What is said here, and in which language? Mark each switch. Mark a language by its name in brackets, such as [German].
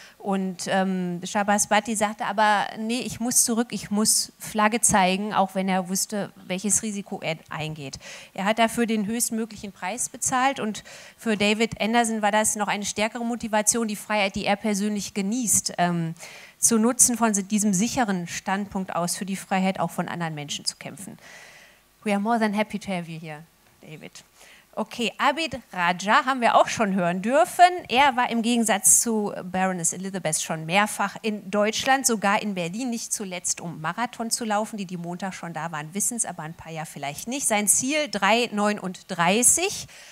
[German] Und Shahbaz Bhatti sagte aber, nee, ich muss zurück, ich muss Flagge zeigen, auch wenn er wusste, welches Risiko er eingeht. Er hat dafür den höchstmöglichen Preis bezahlt und für David Anderson war das noch eine stärkere Motivation, die Freiheit, die er persönlich genießt, zu nutzen, von diesem sicheren Standpunkt aus für die Freiheit auch von anderen Menschen zu kämpfen. [English] We are more than happy to have you here, David. [German] Okay, Abid Raja haben wir auch schon hören dürfen. Er war im Gegensatz zu Baroness Elizabeth schon mehrfach in Deutschland, sogar in Berlin, nicht zuletzt, um Marathon zu laufen. Die Montag schon da waren, wissen es, aber ein paar ja vielleicht nicht. Sein Ziel 3:39.